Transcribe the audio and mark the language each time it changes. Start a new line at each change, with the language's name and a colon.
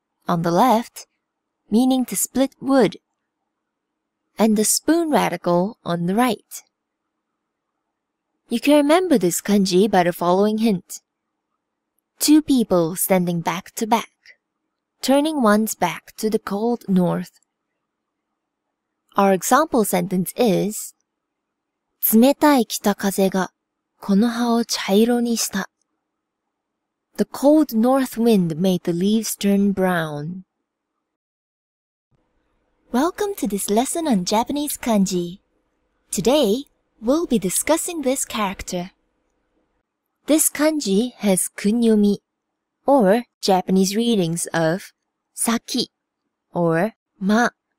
English: on the left, meaning to split wood. And the spoon radical on the right. You can remember this kanji by the following hint. Two people standing back to back, turning one's back to the cold north. Our example sentence is,
Japanese: 冷たい北風がこの葉を茶色にした。
English: The cold north wind made the leaves turn brown. Welcome to this lesson on Japanese kanji. Today, we'll be discussing this character. This kanji has kun-yomi, or Japanese readings of saki, or ma.